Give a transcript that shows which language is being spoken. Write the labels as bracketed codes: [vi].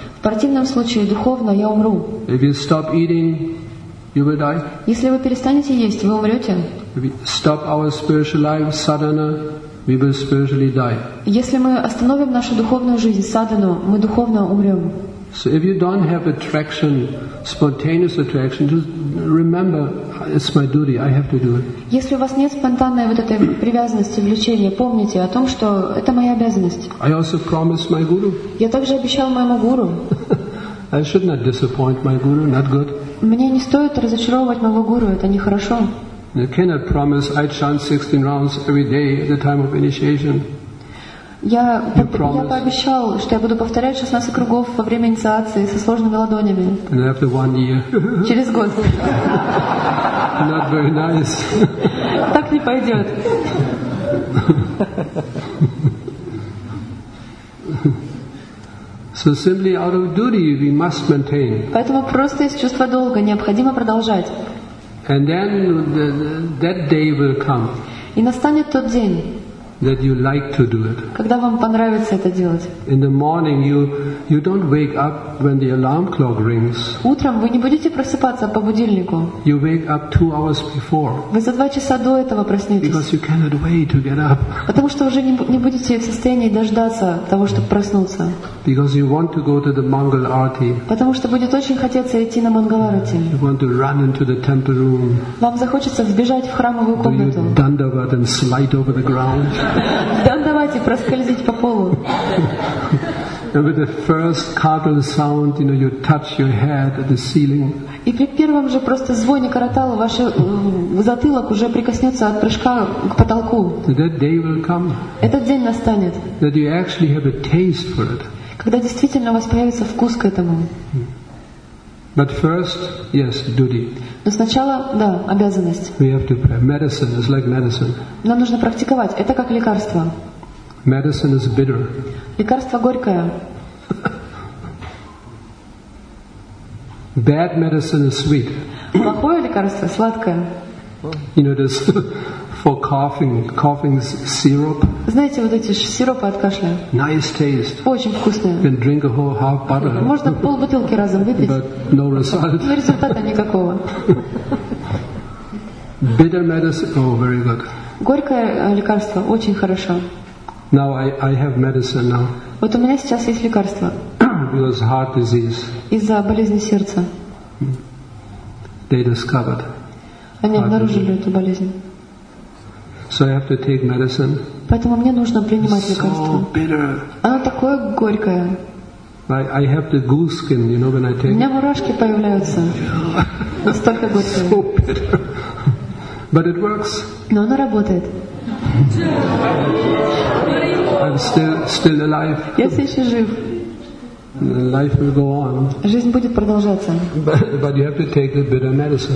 [ru] В противном случае духовно я умру. [en] If you stop eating, you will die. [ru] Если вы перестанете есть, вы умрете. [en] If we stop our spiritual life, sadhana, we will spiritually die. [ru] Если мы остановим нашу духовную жизнь, садхану, мы духовно умрем. [en] So if you don't have attraction, spontaneous attraction, just remember, it's my duty, I have to do it. [ru] Если у вас нет спонтанной вот этой привязанности, влечения, помните о том, что это моя обязанность. [en] I also promised my guru. [ru] Я также обещал моему гуру. [en] I should not disappoint my guru, not good. [ru] Мне не стоит разочаровывать моего гуру, это нехорошо. [en] You cannot promise I chant 16 rounds every day at the time of initiation. [ru] Я пообещал, что я буду повторять 16 кругов во время инициации со сложными ладонями. [en] And after 1 year. [ru] Через год. [en] Not very nice. [ru] Так не пойдет. [en] So simply out of duty we must maintain. [ru] Поэтому просто из чувства долга необходимо продолжать. [en] And then that day will come. [ru] И настанет тот день. [en] That you like to do it. [ru] Когда вам понравится это делать? [en] In the morning, you don't wake up when the alarm clock rings. [ru] Утром вы не будете просыпаться по будильнику. [en] You wake up 2 hours before. [ru] Вы за 2 часа до этого проснетесь. [en] Because you cannot wait to get up. [ru] Потому что уже не будете в состоянии дождаться того, чтобы проснуться. [en] Because you want to go to the Mangal Arati. [ru] Потому что будет очень хотеться идти на Мангаларати. [en] You want to run into the temple room. [ru] Вам захочется вбежать в храмовую комнату. [en] Do you dandavat and slide over the ground? [ru] Давайте проскользить по полу. [en] With the first cartel sound, you know, you touch your head at the ceiling. [ru] И при первом же просто звоне каратала ваш затылок уже прикоснется от прыжка к потолку. [en] That day will come. [ru] Этот день настанет. [en] That you actually have a taste for it. [ru] Когда действительно у вас появится вкус к этому. [en] But first, yes, duty. [ru] Но сначала, да, обязанность. [en] We have to pray. Medicine is like medicine. [ru] Нам нужно практиковать. Это как лекарство. [en] Medicine is bitter. [ru] Лекарство горькое. [en] Bad medicine is sweet. [ru] Плохое лекарство сладкое. [en] You know, this for coughing. Coughing is syrup. [ru] Знаете, вот эти сиропы от кашля. [en] Nice taste. [ru] Очень вкусные. [en] You can drink a whole half bottle. [ru] Можно пол бутылки разом выпить. [en] But no result. [ru] Но результата никакого. [en] Bitter medicine. Oh, very good. [ru] Горькое лекарство очень хорошо. [en] Now I have medicine now. [ru] Вот у меня сейчас есть лекарство. [en] Because heart disease. [ru] Из-за болезни сердца. [en] they discovered. [ru] Они обнаружили эту болезнь. [en] So I have to take medicine. [ru] Поэтому мне нужно принимать лекарство. Оно такое горькое. [en] I have the goose skin, you know, when I take. [ru] У меня мурашки появляются. Настолько горькое. [en] So bitter. But it works. [ru] Но оно работает. [en] I'm still alive. [ru] Я все еще жив. [en] Life will go on. [ru] Жизнь будет продолжаться. [en] But you have to take the bitter medicine.